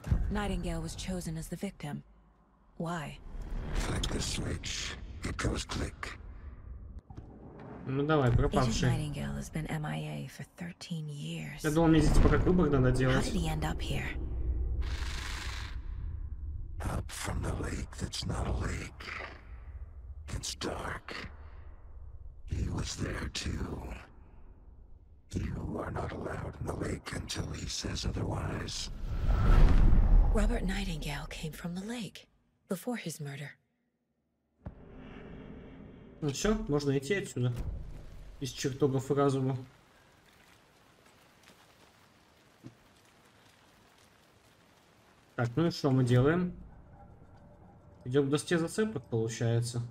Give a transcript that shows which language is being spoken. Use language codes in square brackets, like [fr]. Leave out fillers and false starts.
[en] Nightingale was chosen as the victim. Why? Flick the switch. It goes click. [ru] Ну давай, пропавший. [en] Nightingale has been MIA for 13 years. [ru] Я думал, мне здесь типа как выбор надо делать. [en] How did he end up here? Up from the lake that's not a lake. It's dark. He was there too. You are not allowed in the lake until he says otherwise. Robert Nightingale came from the lake before his murder. [ru] Ну все, можно идти отсюда. Из чертогов разума. Так, ну и что мы делаем? Идем к доске зацепок, получается.